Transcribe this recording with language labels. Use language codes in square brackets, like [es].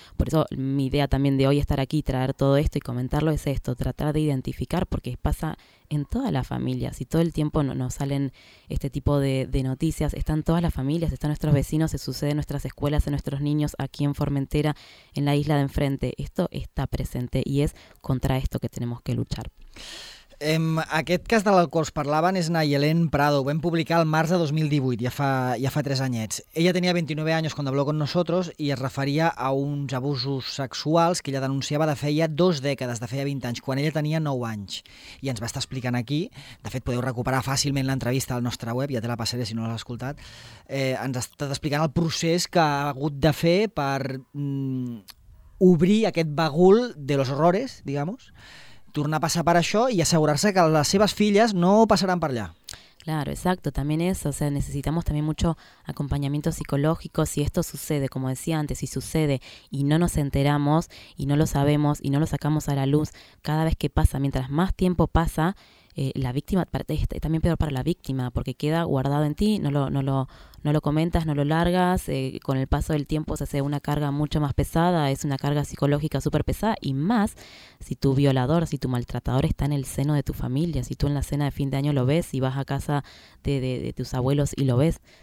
[es] Por eso mi idea también de hoy estar aquí, traer todo esto y comentarlo, es esto, tratar de identificar, porque pasa en todas las familias y todo el tiempo nos salen este tipo de noticias, están todas las familias, están nuestros vecinos, se sucede en nuestras escuelas, en nuestros niños, aquí en Formentera, en la isla de enfrente. Esto está presente y es contra esto que tenemos que luchar. [ca] Aquest cas de qual us parlaven és Nayelen Prado, ho vam publicar el març de 2018, ja fa 3 anyets. Ella tenia 29 anys quan [es] habló con nosotros [ca] i es referia a uns abusos sexuals que ella denunciava de feia 2 dècades, de feia 20 anys, quan ella tenia 9 anys. I ens va estar explicant aquí, de fet podeu recuperar fàcilment l'entrevista al nostre web, ja te la passaré si no l'has escoltat, ens ha estat explicant el procés que ha hagut de fer per obrir aquest bagul [es] de los horrores, digamos, [ca] tornar a passar per això i assegurar-se que les seves filles no passaran per allà. [es] Claro, exacto, también eso, o sea, necesitamos también mucho acompañamiento psicológico. Si esto sucede, como decía antes, si sucede y no nos enteramos y no lo sabemos y no lo sacamos a la luz, cada vez que pasa, mientras más tiempo pasa, la víctima, es también peor para la víctima, porque queda guardado en ti, no lo comentas, no lo largas, con el paso del tiempo se hace una carga mucho más pesada, es una carga psicológica súper pesada, y más si tu violador, si tu maltratador está en el seno de tu familia, si tú en la cena de fin de año lo ves y vas a casa de tus abuelos y lo ves.